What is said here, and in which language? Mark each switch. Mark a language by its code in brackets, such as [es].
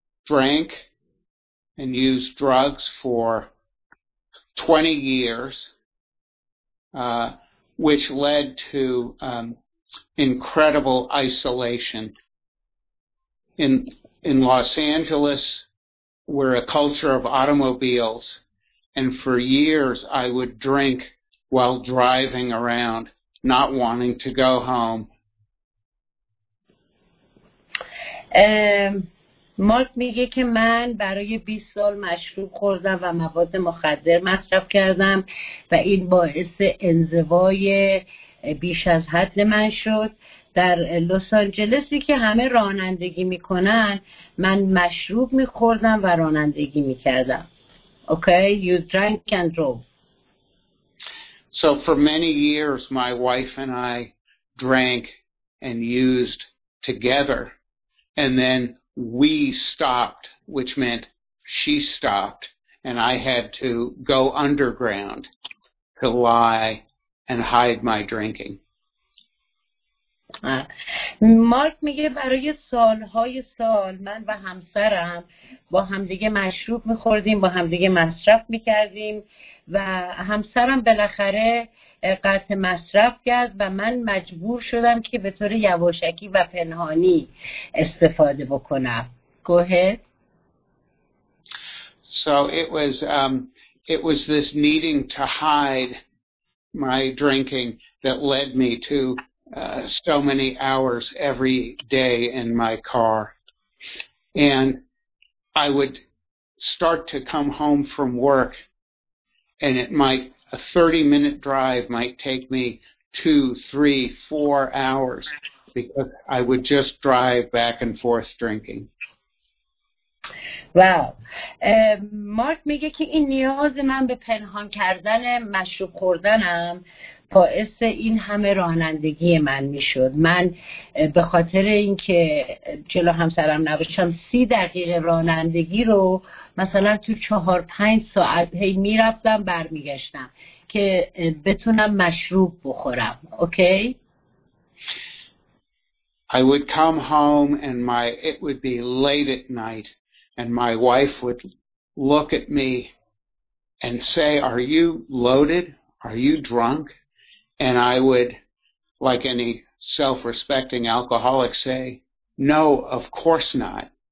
[en] I drank and used drugs for 20 years, which led to incredible isolation. In Los Angeles, we're a culture of automobiles, and for years I would drink while driving around, not wanting to go home. [fa] مارک میگه که من برای 20 سال مشروب خوردم و مواد مخدر مصرف کردم و این باعث انزوای بیش از حد من شد. در لس آنجلسی که همه رانندگی میکنن من مشروب میخوردم و رانندگی میکردم. [en] Okay, you drank and drove. So for many years my wife and I drank and used together and then we stopped, which meant she stopped, and I had to go underground to lie and hide my drinking. [fa] مارک میگه برای سالهای سال من و همسرم با همدیگه مشروب میخوردیم، با همدیگه مصرف میکردیم و همسرم بالاخره قطع مصرف کرد و من مجبور شدم که به طور یواشکی و پنهانی استفاده بکنم. [en] Go ahead. So it was this needing to hide my drinking that led me to so many hours every day in my car. And I would start to come home from work and a 30-minute drive might take me 2, 3, 4 hours because I would just drive back and forth drinking. Wow. [fa] مارک میگه که این نیاز من به پنهان کردن مشروب خوردنم باعث این همه رانندگی من میشد. من به خاطر اینکه جلو همسرم نباشم 30 دقیقه رانندگی رو مثلا تو 4-5 ساعت هی میرفتم برمیگشتم که بتونم مشروب بخورم. [en] Okay? I would come home and it would be late at night and my wife would look at me and say, are you loaded? Are you drunk? And I would, like any self-respecting alcoholic, say, no, of course not.